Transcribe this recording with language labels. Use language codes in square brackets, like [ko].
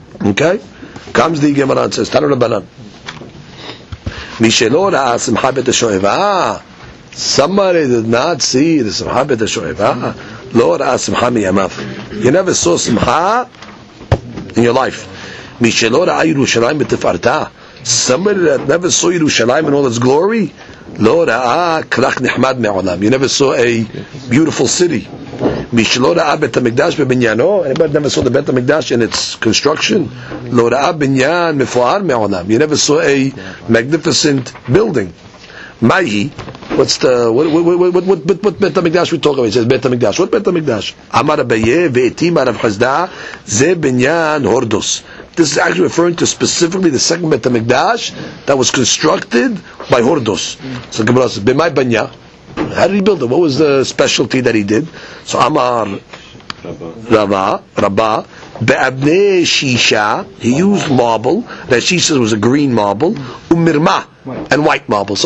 [en] Okay? Comes the Gemara and says, Tanu Rabbanan. Mishelo ra'a simcha bet ha'shoeva. Somebody did not see the simcha bet ha'shoeva. [he] לא ראה שמחה מימיו. [en] You never saw שמחה in your life. [he] מי שלא ראה ירושלים בתפארתה, [en] somebody that never saw [he] ירושלים [en] in all its glory, [he] לא ראה כרך נחמד מעולם. [en] You never saw a beautiful city. [he] מי שלא ראה בית המקדש בבניינו, [en] anybody never saw the [he] בית המקדש [en] in its construction, [he] לא ראה בניין מפואר מעולם. [en] You never saw a magnificent building. [he] מהי? [en] What's the what בית המקדש we talk about? [he] בית המקדש. What בית המקדש? אמר רבייה ואתים הרב חסדא, זה בניין הורדוס. [en] This is actually referring to specifically the second בית המקדש that was constructed by הורדוס. So Gemara says, [he] במאי בניה? [en] How did he build it? What was the specialty that he did? So Amar Rabba Be'abne Shisha, he used marble that she says was a green marble, Umirma, and white marble.